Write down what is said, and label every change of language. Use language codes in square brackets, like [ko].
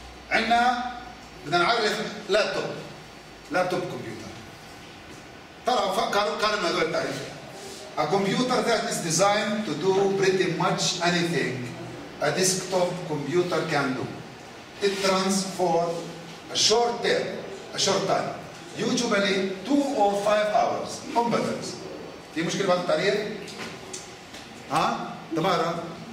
[ar] عندنا بدنا نعرف لابتوب كمبيوتر طلع فكر قارن هذول التعريف [en] A computer that is designed to do pretty much anything a desktop computer can do. It runs for a short time, usually 2 or 5 hours on batteries. [ar] في مشكلة بعد التعريف؟ ها؟ تمارا؟